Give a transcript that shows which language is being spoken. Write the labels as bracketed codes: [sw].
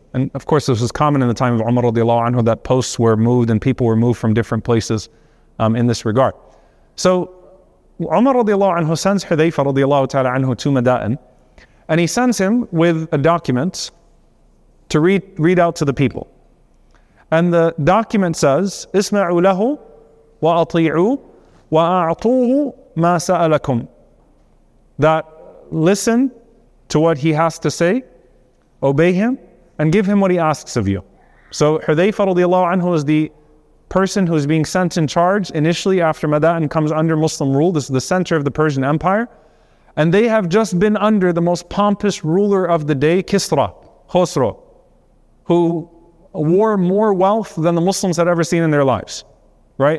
[en] And of course, this was common in the time of Umar radiallahu anhu that posts were moved and people were moved from different places in this regard. So Umar radiallahu anhu sends Hudhayfah radiallahu ta'ala anhu to Mada'in, and he sends him with a document to read out to the people. And the document says, [ar] اسمعوا له وأطيعوا وأعطوه ما سألكم. [en] That listen to what he has to say, obey him, and give him what he asks of you. So Hudhayfah radiallahu anhu is the person who is being sent in charge initially after Mada'in comes under Muslim rule. This is the center of the Persian Empire. And they have just been under the most pompous ruler of the day, Kisra, Khosro, who wore more wealth than the Muslims had ever seen in their lives, right?